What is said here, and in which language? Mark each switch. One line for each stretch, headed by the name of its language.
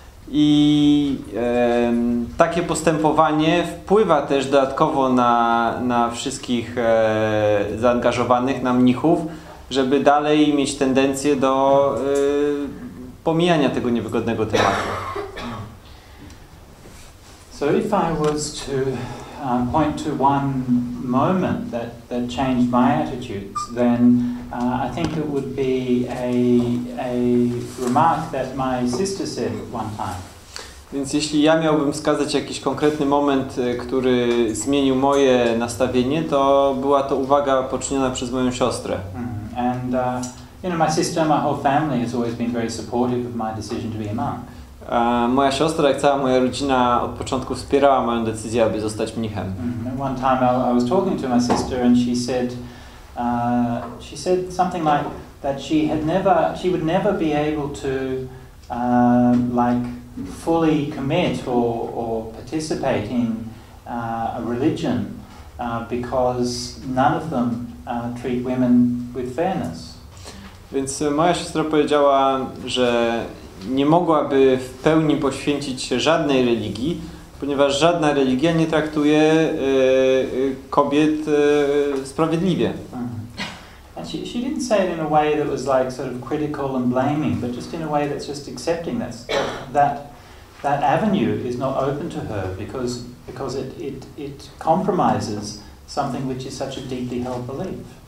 Polish: I takie postępowanie wpływa też dodatkowo na wszystkich zaangażowanych, na mnichów, żeby dalej mieć tendencję do pomijania tego niewygodnego tematu.
English: So if I was to point to one moment that changed my attitudes, then I think it would be a remark that my sister said one time.
Polish: Więc jeśli ja miałbym wskazać jakiś konkretny moment, który zmienił moje nastawienie, to była to uwaga poczyniona przez moją siostrę.
English: And you know, my sister, my whole family has always been very supportive of my decision to be a monk.
Polish: Moja siostra, jak cała moja rodzina, od początku wspierała moją decyzję, aby zostać mnichem.
English: One time I was talking to my sister and she said something like that she would never be able to fully commit or participate in a religion because none of them treat women with fairness.
Polish: Więc moja siostra powiedziała, że nie mogłaby w pełni poświęcić się żadnej religii, ponieważ żadna religia nie traktuje kobiet sprawiedliwie.
English: She didn't say it in a way that was like sort of critical and blaming, but just in a way that's just accepting that avenue is not open to her because it compromises something which is such a deeply held belief.